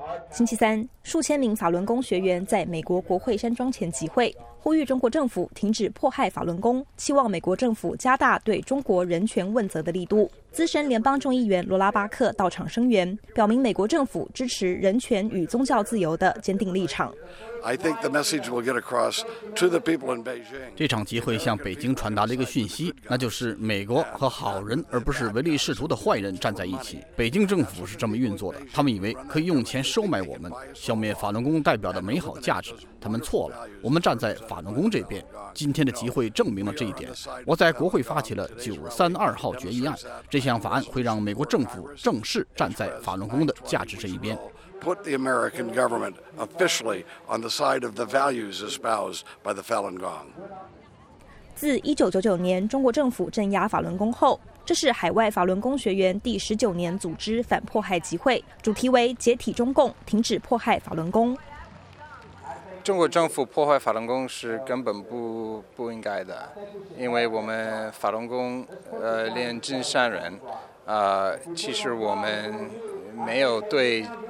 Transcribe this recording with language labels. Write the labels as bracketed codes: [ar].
[zh] 星期三，数千名法轮功学员在美国国会山庄前集会，呼吁中国政府停止迫害法轮功，期望美国政府加大对中国人权问责的力度。资深联邦众议员罗拉巴克到场声援，表明美国政府支持人权与宗教自由的坚定立场。 [en] I think the message will get across to the people in Beijing. [zh] 这场集会向北京传达了一个讯息，那就是美国和好人而不是唯利是图的坏人站在一起。北京政府是这么运作的，他们以为可以用钱收买我们，消灭法轮功代表的美好价值。他们错了，我们站在法轮功这边。今天的集会证明了这一点。我在国会发起了932号决议案，这项法案会让美国政府正式站在法轮功的价值这一边。 [en] Put the American government officially on the side of the values espoused by the Falun Gong. [zh] 自1999年中国政府镇压法轮功后，这是海外法轮功学员第19年组织反迫害集会，主题为“解体中共，停止迫害法轮功”。中国政府破坏法轮功是根本不应该的，因为我们法轮功练真善人，其实我们没有对。